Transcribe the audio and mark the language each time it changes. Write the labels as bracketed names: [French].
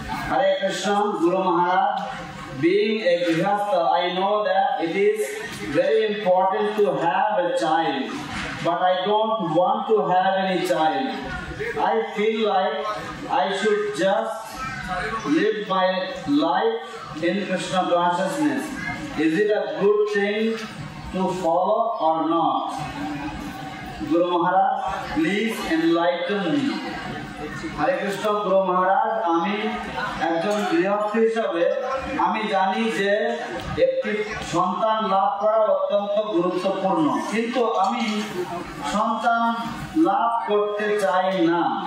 [English] Hare Krishna Guru Maharaj, being a grihastha I know that it is very important to have a child, but I don't want to have any child. I feel like I should just live my life in Krishna consciousness. Is it a good thing to follow or not? Guru Maharaj, please enlighten me. [Bangla] Hare Krishna Guru Maharaj, আমি একজন গৃহস্থ হিসাবে আমি জানি যে একটি সন্তান লাভ করা অত্যন্ত গুরুত্বপূর্ণ, কিন্তু আমি সন্তান লাভ করতে চাই না।